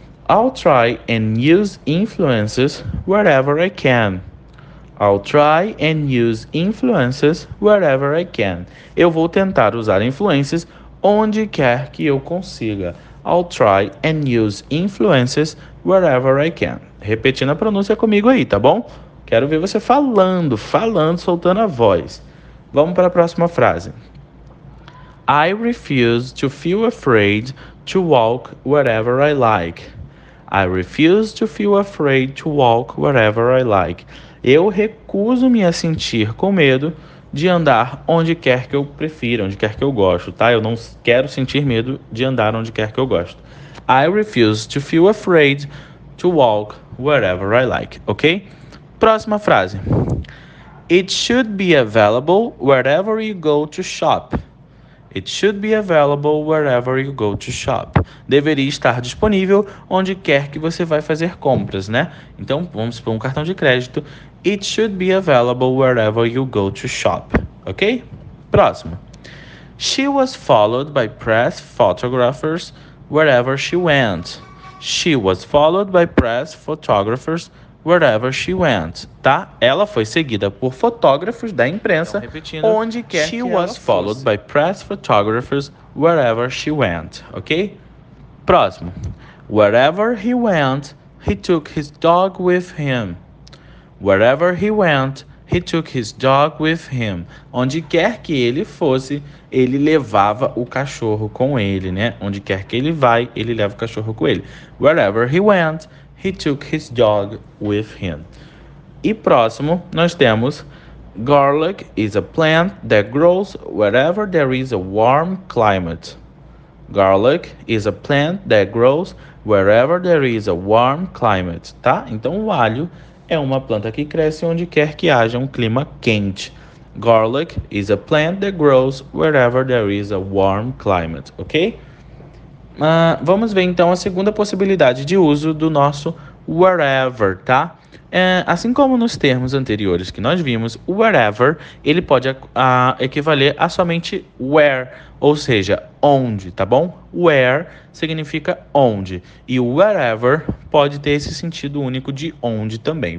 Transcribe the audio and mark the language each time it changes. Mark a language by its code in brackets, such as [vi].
[en] I'll try and use influences wherever I can. I'll try and use influences wherever I can. [pt] Eu vou tentar usar influências onde quer que eu consiga. [en] I'll try and use influences wherever I can. [pt] Repetindo a pronúncia comigo aí, tá bom? Quero ver você falando, falando, soltando a voz. Vamos para a próxima frase. [en] I refuse to feel afraid to walk wherever I like. I refuse to feel afraid to walk wherever I like. [pt] Eu recuso-me a sentir com medo de andar onde quer que eu prefira, onde quer que eu gosto, tá? Eu não quero sentir medo de andar onde quer que eu gosto. [en] I refuse to feel afraid to walk wherever I like, ok? [pt] Próxima frase. [en] It should be available wherever you go to shop. It should be available wherever you go to shop. [pt] Deveria estar disponível onde quer que você vai fazer compras, né? Então, vamos supor um cartão de crédito. [en] It should be available wherever you go to shop. Ok? [pt] Próximo. [en] She was followed by press photographers wherever she went. She was followed by press photographers wherever she went, tá? [pt] Ela foi seguida por fotógrafos da imprensa, então, onde quer que ela fosse. [en] She was followed by press photographers wherever she went, ok? [pt] Próximo. [en] Wherever he went, he took his dog with him. Wherever he went, he took his dog with him. [pt] Onde quer que ele fosse, ele levava o cachorro com ele, né? Onde quer que ele vai, ele leva o cachorro com ele. [en] Wherever he went, he took his dog with him. [pt] E próximo, nós temos [en] garlic is a plant that grows wherever there is a warm climate. Garlic is a plant that grows wherever there is a warm climate. [pt] Tá? Então, o alho é uma planta que cresce onde quer que haja um clima quente. [en] Garlic is a plant that grows wherever there is a warm climate. Ok? [pt] Vamos ver então a segunda possibilidade de uso do nosso wherever, tá? Assim como nos termos anteriores que nós vimos, o wherever, ele pode equivaler a somente where, ou seja, onde, tá bom? Where significa onde, e o wherever pode ter esse sentido único de onde também.